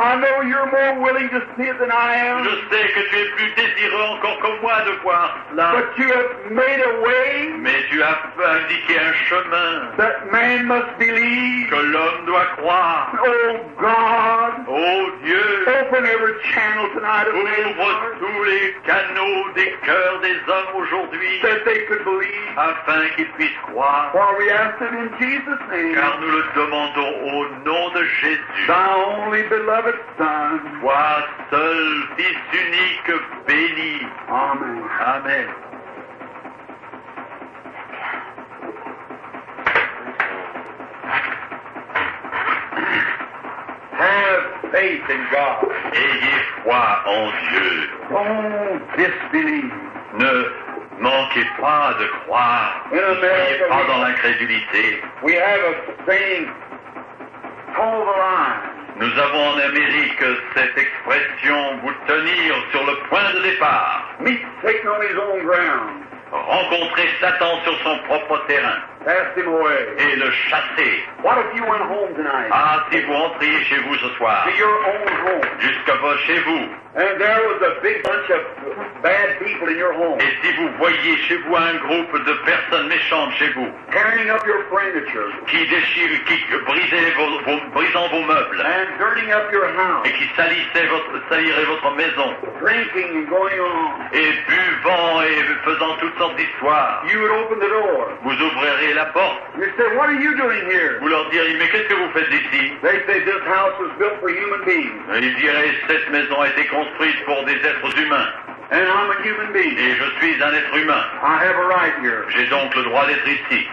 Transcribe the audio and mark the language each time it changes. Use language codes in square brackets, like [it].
[en] I know you're more willing to see it than I am. [fr] Je sais que tu es plus désireux encore que moi de voir cela. [en] But you have made a way. [fr] Mais tu as indiqué un chemin. [en] That man must believe. [fr] Que l'homme doit croire. [en] Oh God. [fr] Oh Dieu. [en] Open every channel tonight of men's hearts. [fr] Ouvre tous les canaux des cœurs des hommes aujourd'hui. [en] That they could believe. [fr] Afin qu'ils puissent croire. [en] For we ask it in Jesus' name. [fr] Car nous le demandons au nom de Jésus. [en] Thy only beloved Son. [fr] Toi seul, Fils unique, béni. [en] Amen. [fr] Amen. [en] Have faith in God. [fr] Ayez foi en Dieu. [en] Don't disbelieve. [fr] Ne manquez pas de croire. [en] In America, [fr] n'ayez pas dans l'incrédulité. [en] We have a saying, toe the line. [fr] Nous avons en Amérique cette expression « vous tenir sur le point de départ ». [en] Meet Satan on his own ground. [fr] Rencontrer Satan sur son propre terrain. [en] Cast him away. [fr] Et le chasser. [en] What if you went home tonight? [fr] Ah, si vous rentriez chez vous ce soir. [en] To your own home. [fr] Jusqu'à chez vous. [en] And there was a big bunch of bad people in your home. [fr] Et si vous voyez chez vous un groupe de personnes méchantes chez vous. [en] Tearing up your furniture. [fr] Qui déchire, qui brisait brisant vos meubles. [en] And dirtying up your house. [fr] Et qui salirait votre maison. [en] Drinking and going on. [fr] Et buvant et faisant toutes sortes d'histoires. [en] You would open the door. [fr] Vous ouvririez la porte. [en] You say, what are you doing here? [fr] Vous leur diriez, mais qu'est-ce que vous faites ici? [en] They say, this house was built for human beings. [fr] Et ils diraient, cette maison a été construite pour des êtres humains. [en] And I'm a human being. [fr] Et je suis un être humain. [en] I have a right here. [fr] J'ai donc le droit d'être ici.